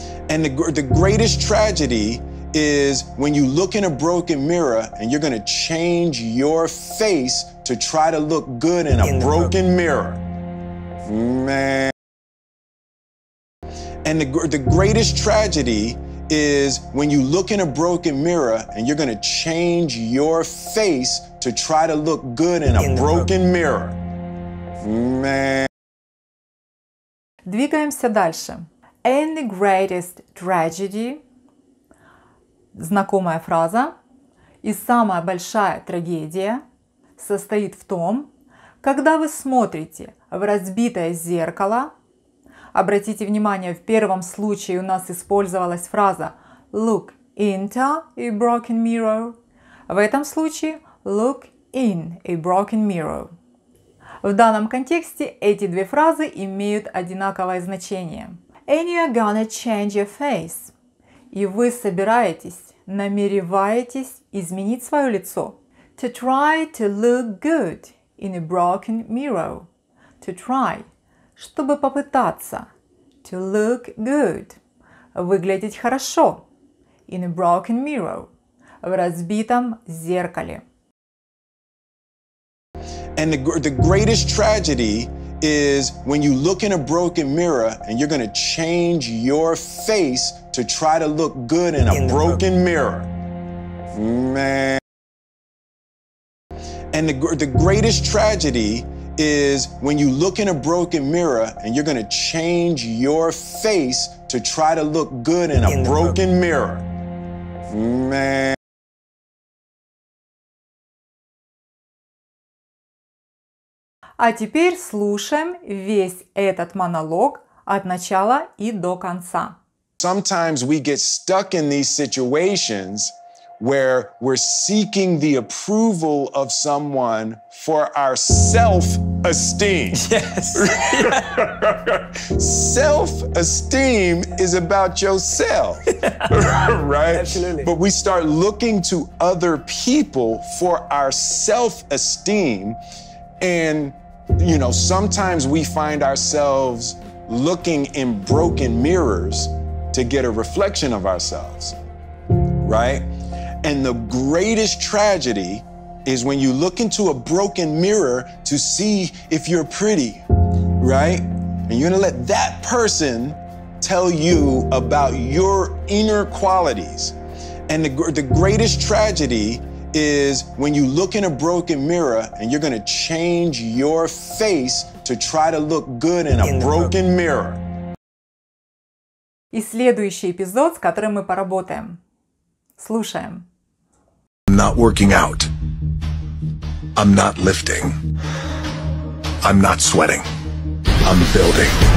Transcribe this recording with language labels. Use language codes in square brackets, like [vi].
[en] And the greatest tragedy is when you look in a broken mirror and you're gonna change your face to try to look good in a broken mirror. Man. And the greatest tragedy is when you look in a broken mirror and you're gonna change your face to try to look good in a broken mirror. Man. [ru] Двигаемся дальше. [en] And the greatest tragedy, [ru] знакомая фраза, и самая большая трагедия состоит в том, когда вы смотрите в разбитое зеркало. Обратите внимание, в первом случае у нас использовалась фраза [en] look into a broken mirror. [ru] В этом случае [en] look in a broken mirror. [ru] В данном контексте эти две фразы имеют одинаковое значение. [en] And you're gonna change your face. [ru] И вы собираетесь, намереваетесь изменить свое лицо. [en] To try to look good in a broken mirror. To try. [ru] Чтобы попытаться. [en] To look good. [ru] Выглядеть хорошо. [en] In a broken mirror. [ru] В разбитом зеркале. [en] And the greatest tragedy is when you look in a broken mirror and you're going to change your face to try to look good in a broken mirror. Man. And the greatest tragedy is when you look in a broken mirror and you're going to change your face to try to look good in a broken mirror. Man. [ru] А теперь слушаем весь этот монолог от начала и до конца. [en] Sometimes we get stuck in these situations where we're seeking the approval of someone for our self-esteem. Yes. Self-esteem is about yourself, right? Absolutely. But we start looking to other people for our self-esteem, and you know, sometimes we find ourselves looking in broken mirrors to get a reflection of ourselves, right? And the greatest tragedy is when you look into a broken mirror to see if you're pretty, right? And you're gonna let that person tell you about your inner qualities. And the greatest tragedy is when you look in a broken mirror and you're gonna change your face to try to look good in a broken mirror. [ru] И следующий эпизод, с которым мы поработаем. Слушаем. [en] I'm not working out. I'm not lifting. I'm not sweating. I'm building.